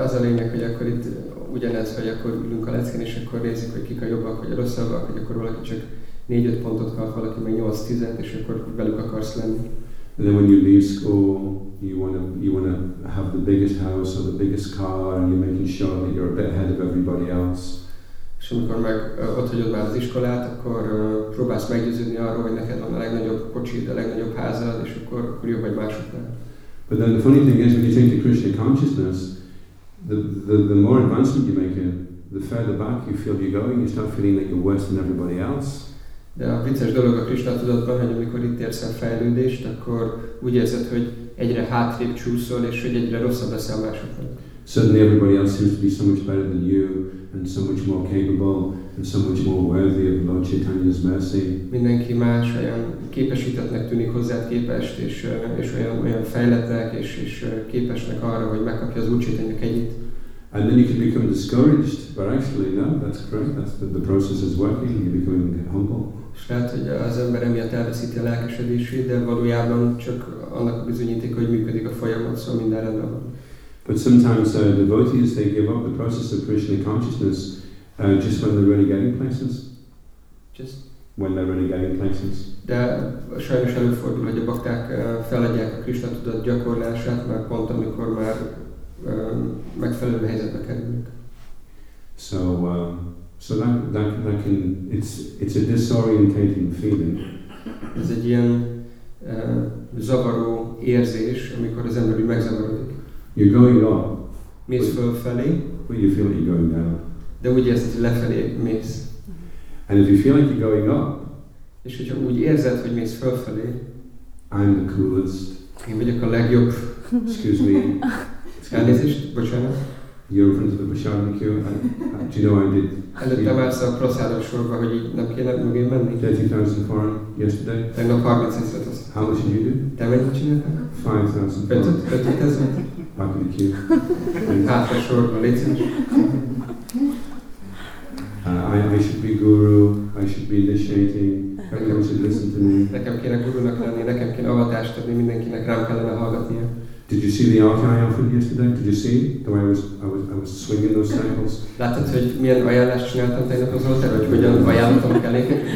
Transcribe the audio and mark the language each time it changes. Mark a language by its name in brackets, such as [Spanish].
[Hungarian] az a lényeg, hogy akkor itt ugyanez, hogy akkor ülünk a leckén, és akkor nézzük, hogy kik a jobbak, vagy a rosszabbak, hogy akkor valaki csak 4-5 pontot kap, valaki meg 8-10, és akkor velük akarsz lenni. [English] And then when you leave school, you wanna have the biggest house or the biggest car, and you're making sure that you're a bit ahead of everybody else. [Hungarian] És amikor meg ott hagyod már az iskolát, akkor próbálsz meggyőződni arról, hogy neked van a legnagyobb kocsid, a legnagyobb házad, és akkor jobb vagy másoknál. [English] But then the funny thing is, when you change the Krishna consciousness, the more advancement you make, the further back you feel you're going, you start feeling that you're worse than everybody else. [Hungarian] De a vicces dolog a Krishna tudatban, hogy amikor itt érsz a fejlődést, akkor úgy érzed, hogy egyre hátrébb csúszol, és hogy egyre rosszabb leszel másoknak. [English] Suddenly everybody else seems to be so much better than you, and so much more capable, and so much more worthy of Lord Chaitanya's mercy. [Hungarian] Mindenki más, olyan képesítettnek tűnik hozzád képest, és olyan fejlettek, és képesnek arra, hogy megkapja az Úr Chaitanya kegyét. [English] And then you can become discouraged, but actually no, that's correct, that's the process is working, you're becoming humble. [Hungarian] És lehet, hogy az ember emiatt elveszíti a lelkesedését, de valójában csak annak a bizonyíték, hogy működik a folyamat, szóval minden rendben van. [English] But sometimes devotees, they give up the process of Krishna consciousness just when they're really getting places. Just when they're really getting places. [Hungarian] De sajnos előfordul, hogy a bakták feladják a Krishna tudat gyakorlását, mert pont amikor már megfelelő helyzetbe kerülnek. [English] So that can, it's a disorientating feeling. [Hungarian] Ez egy ilyen zavaró érzés, amikor az ember megzavarodik. [English] You're going up. [Hungarian] Mész fölfelé. [English] But you feel like you're going down. [Hungarian] De úgy érzed, hogy lefelé mész. [English] And if you feel like you're going up. [Hungarian] És hogyha úgy érzed, hogy mész fölfelé. [English] I'm the coolest. [Hungarian] Én vagyok a legjobb. [English] Excuse me. [Hungarian] Elnézést, bocsánat. [English] You're in front of the Prasadam queue. Do you know I did? [Hungarian] Előtte vársz a Prasadam sorba, hogy így nem kéne mögé menni. [English] 30,000 forint yesterday. [Hungarian] Tegnap 30,000 forint. [English] How much did you do? [Hungarian] Te mennyit csináltak? [English] 5,000 forint. 5,000? Back in the queue. [Hungarian] Hátra sorba, légy szíves. [English] I should be guru, I should be initiating, everyone should listen to me. [Hungarian] Nekem kéne gurúnak lenni, nekem kéne avatást adni, mindenkinek rám kellene hallgatnia. [English] Did you see the art I offered yesterday? Did you see the way I was swinging those cycles? [Hungarian] Láttad, hogy milyen ajánlást csináltam tegnap az oltáron, hogy hogyan ajánlottam kellék?